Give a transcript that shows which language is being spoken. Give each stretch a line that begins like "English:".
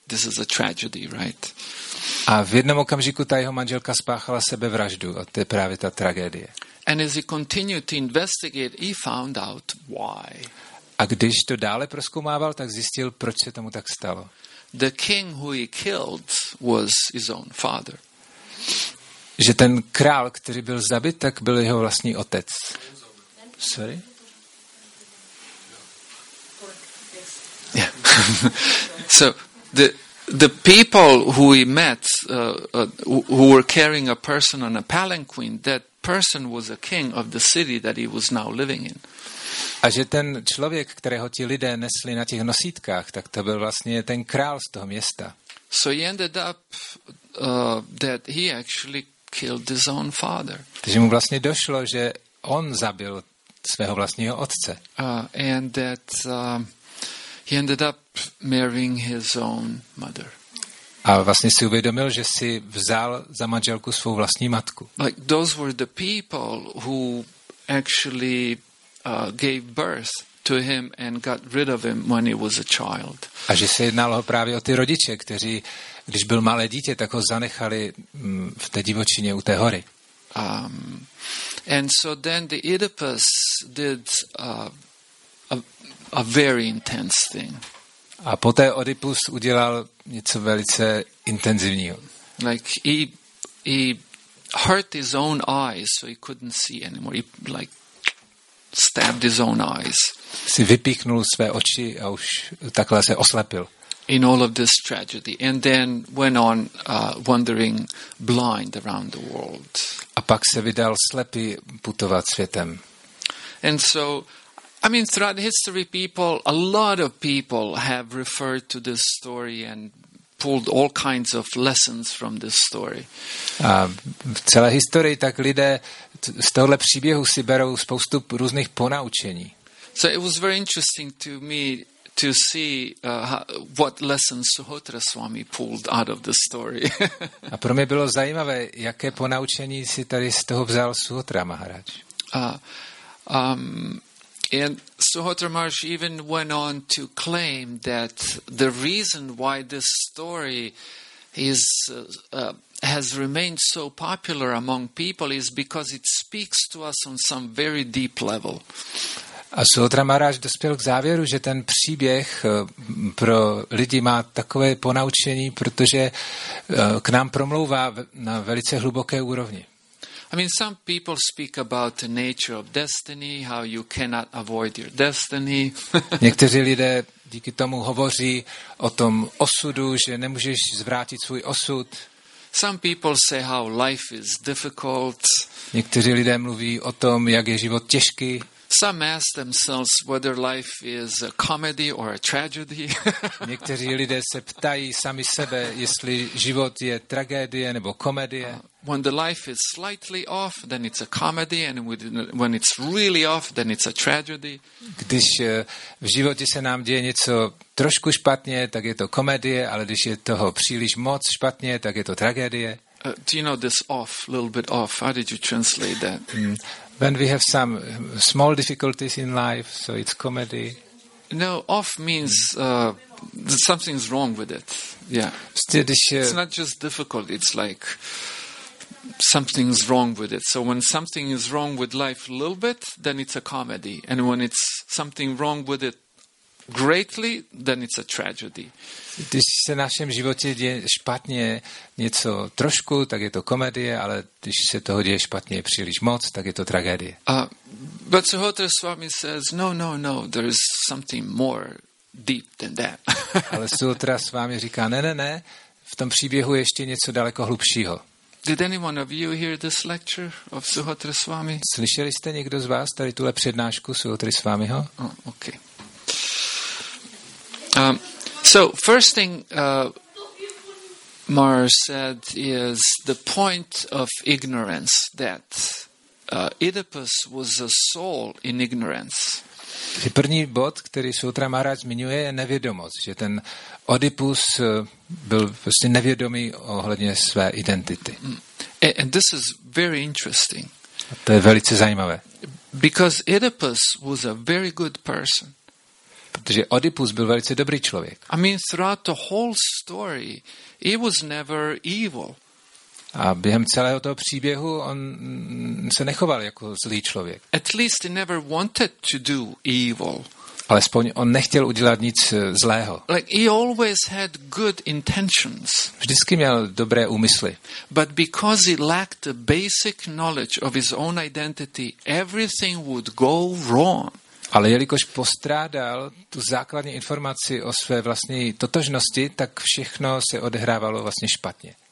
English: This is a tragedy, right?
Czech: A v jednom okamžiku ta jeho manželka spáchala sebevraždu, a to je právě ta tragédie.
English: And as he continued to investigate, he found out why.
Czech: A když to dále prozkoumával, tak zjistil, proč se tomu tak stalo.
English: The king who he killed was his own father.
Czech: Že ten král, který byl zabit, tak byl jeho vlastní otec.
English: Sorry? Yeah. So the people who he met who were carrying a person on a palanquin, that person was a king of the city that he was now living in.
Czech: A že ten člověk, kterého ti lidé nesli na těch nosítkách, tak to byl vlastně ten král z toho města.
English: So he ended up that he actually killed his own father.
Czech: Takže mu vlastně došlo, že on zabil svého vlastního otce.
English: He ended up marrying his own mother.
Czech: A vlastně si uvědomil, že si vzal za manželku svou vlastní matku.
English: Like those were the people who actually gave birth to him and got rid of him when he was a child.
Czech: A že se jednalo právě o ty rodiče, kteří, když byl malé dítě, tak ho zanechali v té divočině u té hory.
English: And so then the Oedipus did a very intense thing.
Czech: A poté Oedipus udělal něco velice intenzivního.
English: Like he hurt his own eyes, so he couldn't see anymore. He like stabbed his own eyes.
Czech: Si vypíchnul své oči a už takhle se oslepil.
English: In all of this tragedy, and then went on wandering blind around the world.
Czech: A pak se vydal slepý putovat světem.
English: And so, I mean, throughout history, people, a lot of people have referred to this story and pulled all kinds of lessons from this story.
Czech: A v celé historii tak lidé z tohle příběhu si berou spoustu různých ponaučení.
English: So it was very interesting to me to see what lessons Suhotra Swami pulled out of the story.
Czech: A pro mě bylo zajímavé, jaké ponaučení si tady z toho vzal Suhotra Maharaj.
English: And Suhotra Maharaj even went on to claim that the reason why this story is has remained so popular among people is because it speaks to us on some very deep level.
Czech: A Suhotra Maharaj dospěl k závěru, že ten příběh pro lidi má takové ponaučení, protože k nám promlouvá na velice hluboké úrovni.
English: I mean, some people speak about the nature of destiny, how you cannot avoid your destiny.
Czech: Někteří lidé díky tomu hovoří o tom osudu, že nemůžeš zvrátit svůj osud.
English: Some people say how life is difficult.
Czech: Někteří lidé mluví o tom, jak je život těžký.
English: Some ask themselves whether life is a comedy or a tragedy.
Czech: Někteří lidé se ptají sami sebe, jestli život je tragédie nebo komedie.
English: When the life is slightly off, then it's a comedy, and when it's really off, then it's a tragedy.
Czech: Když v životě se nám děje něco trošku špatně, tak je to komedie, ale když je toho příliš moc špatně, tak je to tragédie.
English: Do you know this off, a little bit off? How did you translate that? When we have some small difficulties in life, so it's comedy. No, off means something's wrong with it. Yeah. It's not just difficult, it's like something's wrong with it. So when something is wrong with life a little bit, then it's a comedy. And when it's something wrong with it greatly, then it's a tragedy.
Czech: Když se v našem životě děje špatně něco trošku, tak je to komedie, ale když se toho děje špatně příliš moc, tak je to tragédie.
English: But Suhotra Swami says, no, there is something more deep than that.
Czech: Ale Suhotra Swami říká, ne, v tom příběhu je ještě něco daleko hlubšího.
English: Did anyone of you hear this lecture of Suhotra Swami?
Czech: Slyšeli jste někdo z vás tady tuhle přednášku Suhotry Swamiho?
English: Oh, okay. So first thing Mar said is the point of ignorance that Oedipus was a soul in ignorance.
Czech: Že první bod, který Suhotra Maharaj zmiňuje, je nevědomost, že ten Oedipus byl prostě nevědomý ohledně své identity.
English: And this is very interesting.
Czech: A to je velice zajímavé.
English: Because Oedipus was a very good person.
Czech: Protože Oedipus byl velice dobrý člověk.
English: I mean, throughout the whole story, he was never evil.
Czech: A během celého toho příběhu on se nechoval jako zlý člověk.
English: At least he never wanted to do evil.
Czech: Alespoň on nechtěl udělat nic zlého.
English: Like he always had good intentions.
Czech: Vždycky měl dobré úmysly.
English: But because he lacked the basic knowledge of his own identity, everything would go wrong.
Czech: Ale jelikož postrádal tu základní informaci o své vlastní totožnosti, tak všechno se odehrávalo vlastně špatně.